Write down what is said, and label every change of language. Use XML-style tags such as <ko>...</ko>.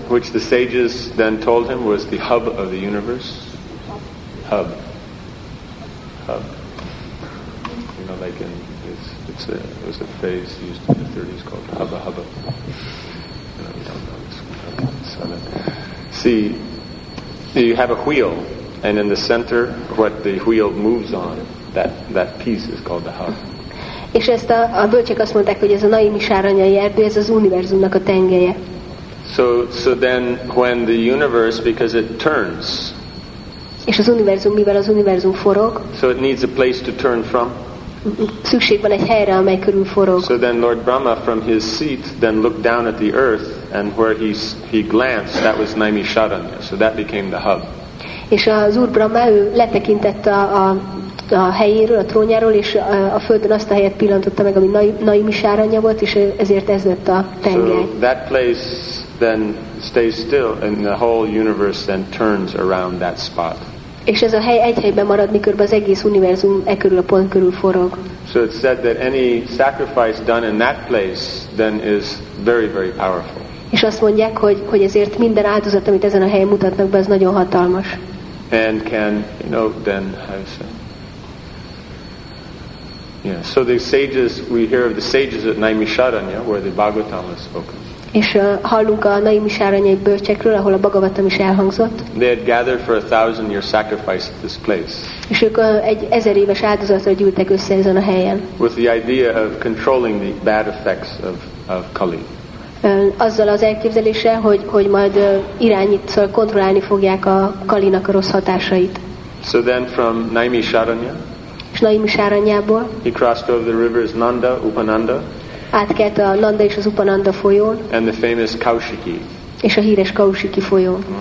<en>Which the sages then told him was the hub of the universe. Hub. Hub. You know, like in it was a phrase used in the 30s called hubba hubba. You know, we don't know this one. See, you have a wheel. And in the center, what the wheel moves on, that piece is called the hub.</en> <hu>És ezt a bölcsek azt mondták, hogy ez a Naimisharanyai erdő, ez az univerzumnak a tengelye.</hu> <en>So then when the universe, because it turns.</en> <hu>És az univerzum, mivel az univerzum forog.</hu> <en>So it needs a place to turn from.</en> <hu>Szükség van egy helyre, amely körül forog.</hu> <en>So then Lord Brahma from his seat then looked down at the earth, and where he glanced, that was Naimisharanya. So that became the hub.</en> <hu>És az Úr Brahma, ő letekintett a helyéről, a trónjáról, és a földön azt a helyet pillantotta meg, ami Naimisharanya volt, és ezért ez lett a tengely.</hu> <en>So that place then stays still, and the whole universe then turns around that spot.</en> <hu>És ez a hely egy helyben marad, miközben az egész univerzum e körül a pont körül forog.</hu> <en>So it's said that any sacrifice done in that place then is very, very powerful.</en> <hu>És azt mondják, hogy ezért minden áldozat, amit ezen a helyen mutatnak be, az nagyon hatalmas.</hu> <en>And can, you know, then how you say? Yeah. So the sages, we hear of the sages at Naimisharanya, where the Bhagavatam was spoken.</en> <hu>És hallunk a Naimisharanyai bölcsekről, ahol a Bhagavatam is elhangzott.</hu> <en>They had gathered for a 1,000-year sacrifice at this place.</en> <hu>És ők egy 1000 éves áldozatra gyűltek össze ezen a helyen.</hu> <en>With the idea of controlling the bad effects of Kali.</en> <hu>Azzal az elképzeléssel, hogy majd irányít, szóval kontrollálni fogják a Kalinak a rossz hatásait.</hu> <en>So then from Naimisharanya.</en> <hu>És Naimisharanyából.</hu> <en>He crossed over the rivers Nanda, Upananda.</en> <hu>Átkelt a Nanda és az Upananda folyón.</hu> <en>And the famous Kaushiki.</en> <hu>És a híres Kaushiki folyón.</hu>